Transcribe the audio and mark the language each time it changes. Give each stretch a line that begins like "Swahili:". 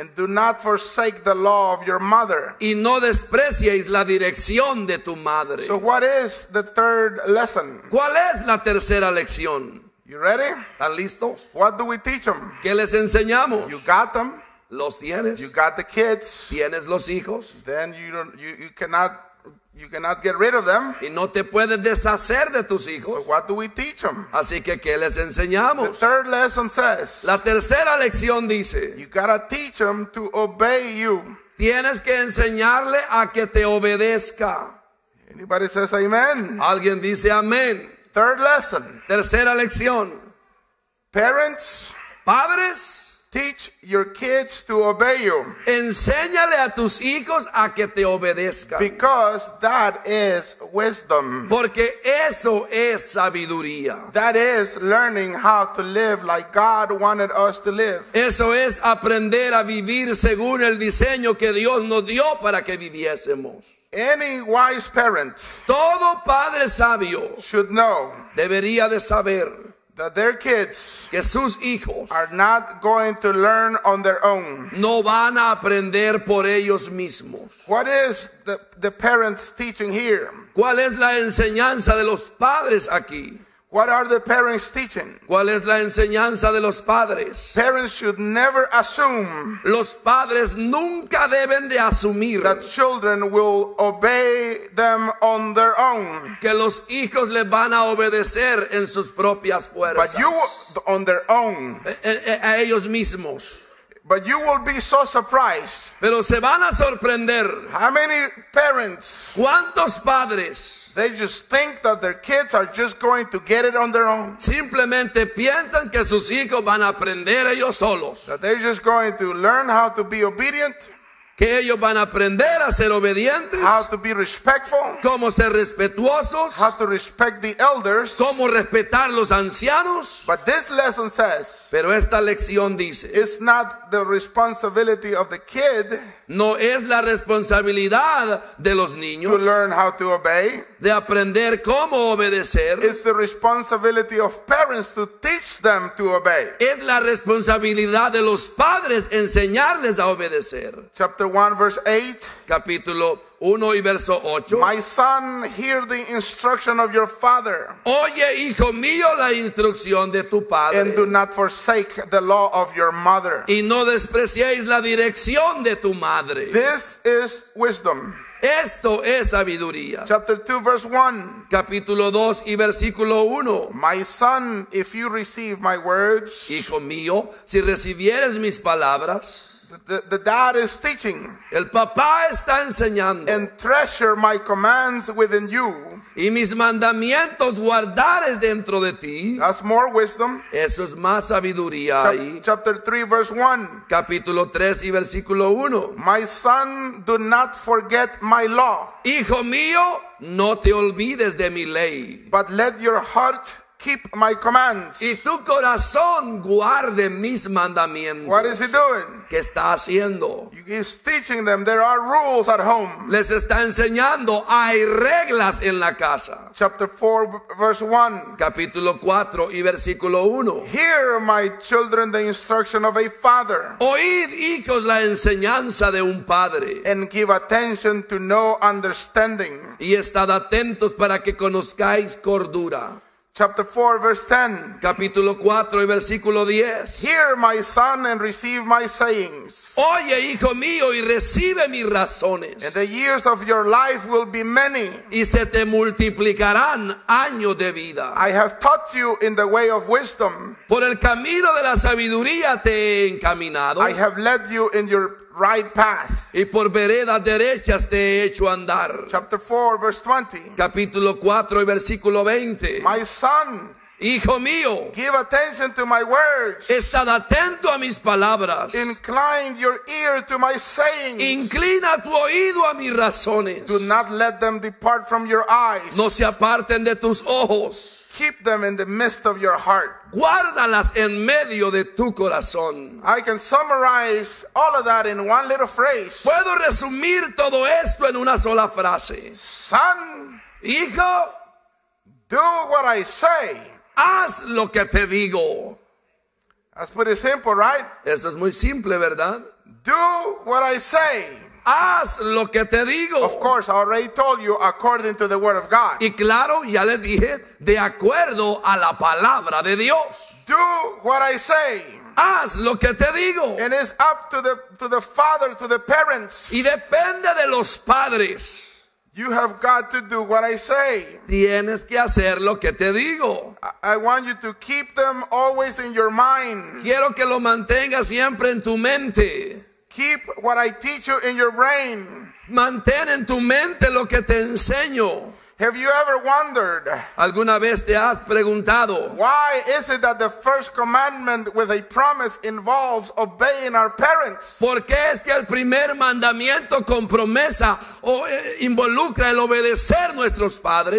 English: And do not forsake the law of your mother.
Spanish: Y no desprecies la dirección de tu madre.
English: So what is the third lesson?
Spanish: ¿Cuál es la tercera lección?
English: You ready?
Spanish: ¿Están listos?
English: What do we teach them?
Spanish: ¿Qué les enseñamos?
English: You got them.
Spanish: Los tienes.
English: You got the kids.
Spanish: Tienes los hijos.
English: Then you cannot get rid of them.
Spanish: Y no te puedes deshacer de tus hijos.
English: So what do we teach them?
Spanish: Así que, ¿qué les enseñamos?
English: The third lesson says.
Spanish: La tercera lección dice.
English: You gotta teach them to obey you.
Spanish: Tienes que enseñarle a que te obedezca.
English: Anybody says amen?
Spanish: Alguien dice amén.
English: Third lesson.
Spanish: Tercera lección.
English: Parents.
Spanish: Padres.
English: Teach your kids to obey you.
Spanish: Enséñale a tus hijos a que te obedezcan.
English: Because that is wisdom.
Spanish: Porque eso es sabiduría.
English: That is learning how to live like God wanted us to live.
Spanish: Eso es aprender a vivir según el diseño que Dios nos dio para que viviésemos.
English: Any wise parent,
Spanish: todo padre sabio,
English: should know.
Spanish: Debería de saber.
English: That their kids,
Spanish: que sus hijos,
English: are not going to learn on their own.
Spanish: No van a aprender por ellos mismos.
English: What is the parents teaching here?
Spanish: ¿Cuál es la enseñanza de los padres aquí?
English: What are the parents teaching?
Spanish: ¿Cuál es la enseñanza de los padres?
English: Parents should never assume.
Spanish: Los padres nunca deben de asumir.
English: That children will obey them on their own.
Spanish: Que los hijos les van a obedecer en sus propias fuerzas.
English: But you on their own.
Spanish: A ellos mismos.
English: But you will be so surprised.
Spanish: Pero se van a sorprender.
English: How many parents?
Spanish: ¿Cuántos padres?
English: They just think that their kids are just going to get it on their own.
Spanish: Simplemente piensan que sus hijos van a aprender ellos solos.
English: That they're just going to learn how to be obedient.
Spanish: Que ellos van a aprender a ser obedientes.
English: How to be respectful.
Spanish: Cómo ser respetuosos.
English: How to respect the elders.
Spanish: Cómo respetar los ancianos.
English: But this lesson says.
Spanish: Pero esta lección dice.
English: It's not the responsibility of the kid.
Spanish: No es la responsabilidad de los niños.
English: To learn how to obey.
Spanish: De aprender cómo obedecer.
English: It's the responsibility of parents to teach them to obey.
Spanish: Es la responsabilidad de los padres enseñarles a obedecer.
English: Chapter 1 verse 8.
Spanish: Capítulo 1 y verso 8.
English: My son, hear the instruction of your father.
Spanish: Oye, hijo mío, la instrucción de tu padre.
English: And do not forsake the law of your mother.
Spanish: Y no despreciéis la dirección de tu madre.
English: This is wisdom.
Spanish: Esto es sabiduría.
English: Chapter 2 verse 1.
Spanish: Capítulo 2 y versículo 1.
English: My son, if you receive my words.
Spanish: Hijo mío, si recibieres mis palabras.
English: The dad is teaching.
Spanish: El papá está enseñando.
English: And treasure my commands within you.
Spanish: Y mis mandamientos guardares dentro de ti.
English: That's more wisdom.
Spanish: Eso es más sabiduría ahí.
English: Chapter 3 verse 1.
Spanish: Capítulo 3 y versículo 1.
English: My son, do not forget my law.
Spanish: Hijo mío, no te olvides de mi ley.
English: But let your heart keep my commands.
Spanish: Y tu corazón guarde mis mandamientos.
English: What is he doing?
Spanish: ¿Qué está haciendo?
English: He's teaching them there are rules at home.
Spanish: Les está enseñando hay reglas en la casa.
English: Chapter 4 verse 1.
Spanish: Capítulo 4 y versículo 1.
English: Hear my children the instruction of a father.
Spanish: Oíd hijos la enseñanza de un padre.
English: And give attention to no understanding.
Spanish: Y estad atentos para que conozcáis cordura.
English: Chapter 4 verse 10.
Spanish: Capítulo 4 y versículo 10.
English: Hear my son and receive my sayings.
Spanish: Oye hijo mío y recibe mis razones.
English: And the years of your life will be many.
Spanish: Y se te multiplicarán años de vida.
English: I have taught you in the way of wisdom.
Spanish: Por el camino de la sabiduría te he encaminado.
English: I have led you in your right path.
Spanish: Y por veredas derechas te he hecho andar.
English: Chapter 4 verse 20.
Spanish: Capítulo 4 y versículo 20.
English: My son,
Spanish: hijo mío,
English: give attention to my words.
Spanish: Estad atento a mis palabras.
English: Incline your ear to my sayings.
Spanish: Inclina tu oído a mis razones.
English: Do not let them depart from your eyes.
Spanish: No se aparten de tus ojos.
English: Keep them in the midst of your heart.
Spanish: Guárdalas en medio de tu corazón.
English: I can summarize all of that in one little phrase.
Spanish: Puedo resumir todo esto en una sola frase.
English: Son,
Spanish: hijo,
English: do what I say.
Spanish: Haz lo que te digo.
English: That's pretty simple, right?
Spanish: Esto es muy simple, ¿verdad?
English: Do what I say.
Spanish: Haz lo que te digo.
English: Of course, I already told you according to the word of God.
Spanish: Y claro, ya le dije, de acuerdo a la palabra de Dios.
English: Do what I say.
Spanish: Haz lo que te digo.
English: And it's up to the father, to the parents.
Spanish: Y depende de los padres.
English: You have got to do what I say.
Spanish: Tienes que hacer lo que te digo.
English: I want you to keep them always in your mind.
Spanish: Quiero que lo mantengas siempre en tu mente.
English: Keep what I teach you in your brain.
Spanish: Mantén en tu mente lo que te enseño.
English: Have you ever wondered?
Spanish: ¿Alguna vez te has preguntado?
English: Why is it that the first commandment with a promise involves obeying our parents?
Spanish: ¿Por qué es que el primer mandamiento con promesa involucra el obedecer nuestros padres?